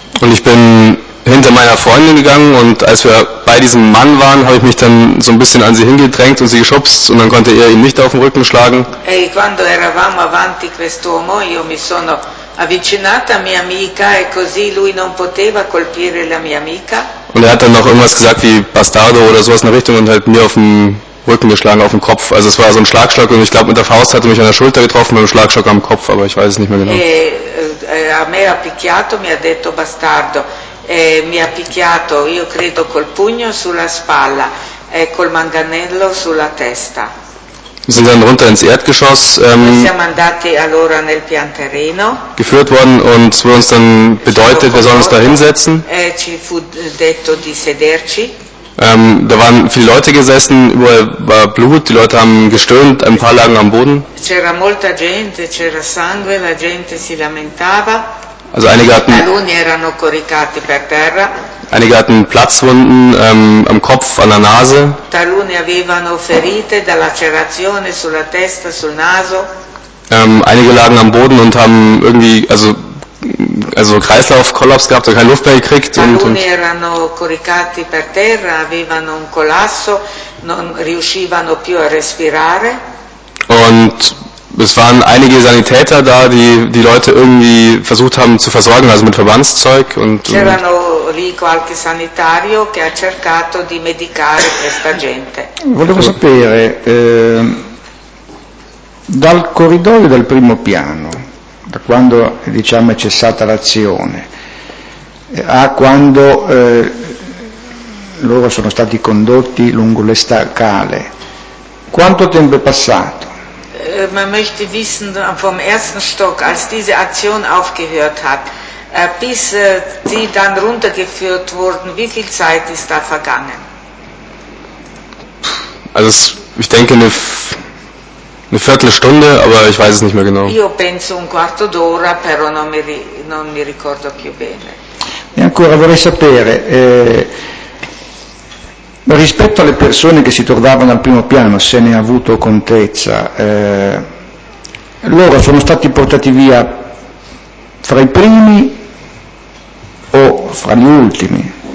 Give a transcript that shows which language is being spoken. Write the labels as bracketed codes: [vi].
[de] Und ich bin hinter meiner Freundin gegangen und als wir bei diesem Mann waren, habe ich mich dann so ein bisschen an sie hingedrängt und sie geschubst und dann konnte er ihn nicht auf den Rücken schlagen. [it] E quando eravamo avanti quest'uomo, io mi sono avvicinata a mia amica e così lui non poteva colpire la mia amica. [de] Und er hat dann noch irgendwas gesagt wie Bastardo oder sowas in der Richtung und halt mir auf den Rücken geschlagen, auf den Kopf. Also es war so ein Schlagstock und ich glaube mit der Faust hat er mich an der Schulter getroffen, mit dem Schlagstock am Kopf, aber ich weiß es nicht mehr genau. [it] A me ha picchiato, mi ha detto bastardo, mi ha picchiato, io credo col pugno sulla spalla e col manganello sulla testa. [de] Sind dann runter ins Erdgeschoss. [it] Siamo andati allora nel pian terreno. [de] Geführt worden und es wurde uns dann bedeutet, wir sollen uns da hinsetzen. [it] Ci fu detto di sederci. [de] Da waren viele Leute gesessen, überall war Blut, die Leute haben gestöhnt, ein paar lagen am Boden. [it] C'era molta gente, c'era sangue, la gente si lamentava. [de] Also einige hatten, [it] Taluni erano coricati per terra. [de] Einige hatten Platzwunden am Kopf, an der Nase. [it] Taluni avevano ferite da lacerazione sulla testa, sul naso. [de] Einige lagen am Boden und haben irgendwie, also Kreislaufkollaps gehabt, keine Luft mehr gekriegt. [it] Alcuni erano coricati per terra, avevano un collasso, non riuscivano più a respirare. [de] Und es waren einige Sanitäter da, die Leute irgendwie versucht haben zu versorgen, also mit Verbandszeug und. [it] C'erano lì qualche sanitario che ha cercato di medicare questa gente. Volevo sapere dal corridoio del primo piano. Da quando diciamo è cessata l'azione a quando loro sono stati condotti lungo le scale, quanto tempo è passato? [de] man möchte wissen vom ersten Stock, als diese Aktion aufgehört hat, bis sie dann runtergeführt wurden, wie viel Zeit ist da vergangen? Also ich denke eine Viertelstunde, aber ich weiß es nicht mehr genau. [it] Io penso un quarto d'ora, però non mi ricordo più bene. E ancora vorrei sapere, rispetto alle persone che si trovavano al primo piano, se ne ha avuto contezza, loro sono stati portati via fra i primi o fra gli ultimi?